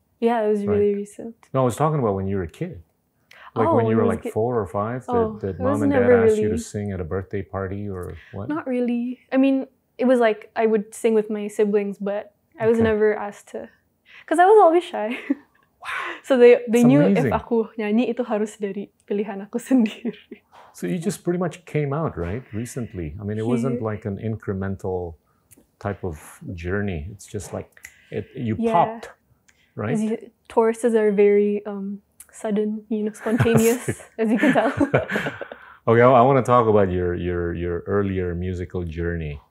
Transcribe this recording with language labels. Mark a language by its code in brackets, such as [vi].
[en] Yeah, it was really recent. No, I was talking about when you were a kid. Like when you were like 4 or 5, that mom and dad asked you to sing at a birthday party or what? Not really. I mean, it was like I would sing with my siblings, but I was never asked to, because I was always shy. So they knew if [id] aku nyanyi itu harus dari pilihan aku sendiri. [en] So you just pretty much came out, right? Recently. I mean, it wasn't like an incremental type of journey. It's just like you popped, right? Tauruses are very sudden, you know, spontaneous, as you can tell. Okay, I want to talk about your earlier musical journey.